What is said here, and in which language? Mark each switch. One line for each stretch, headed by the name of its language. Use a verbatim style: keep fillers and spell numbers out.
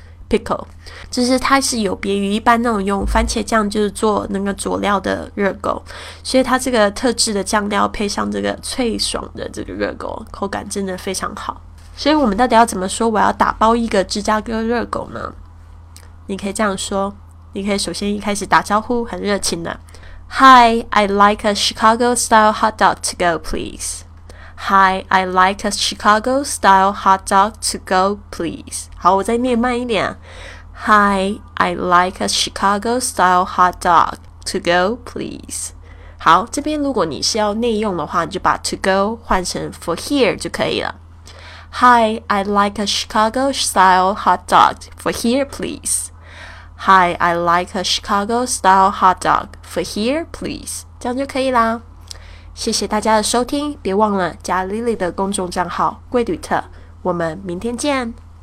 Chinese: pickle， 就是它是有别于一般那种用番茄酱就是做那个佐料的热狗，所以它这个特制的酱料配上这个脆爽的这个热狗，口感真的非常好。所以我们到底要怎么说我要打包一个芝加哥热狗呢？你可以这样说，你可以首先一开始打招呼很热情的，
English: Hi, I'd like a Chicago-style hot dog to go, please. Hi, I'd like a Chicago-style hot dog to go, please.
Chinese: 好，我再念慢一点。
English: Hi, I'd like a Chicago-style hot dog to go, please.
Chinese: 好，这边如果你是要内用的话，你就把 to go 换成 for here 就可以了。
English: Hi, I'd like a Chicago-style hot dog for here, please. Hi, I'd like a Chicago-style hot dog for here, please.
Chinese: 这样就可以啦。谢谢大家的收听，别忘了加 Lily 的公众账号“贵旅特”，我们明天见。